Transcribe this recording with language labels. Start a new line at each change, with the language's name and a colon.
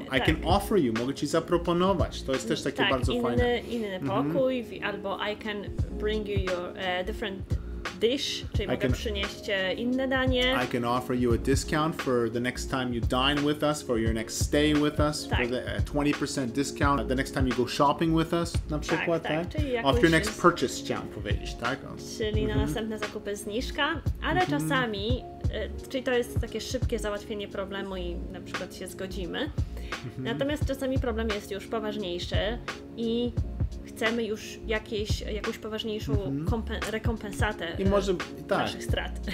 Polish: Tak.
English: I can offer you,
Polish: mogę ci zaproponować. To jest też takie bardzo fajne. Tak, inny pokój, albo
English: I can bring you your different dish,
Polish: czyli mogę przynieść inne danie.
English: I can offer you a discount for the next time you dine with us, for your next stay with us,
Polish: tak.
English: For the 20% discount the next time you go shopping with us,
Polish: na przykład, tak? Tak, czyli jakąś...
English: Of your next purchase,
Polish: chciałem powiedzieć, tak? Czyli na następne zakupy zniżka, ale czasami, czyli to jest takie szybkie załatwienie problemu i na przykład się zgodzimy. Natomiast czasami problem jest już poważniejszy i chcemy już jakąś poważniejszą rekompensatę naszych strat.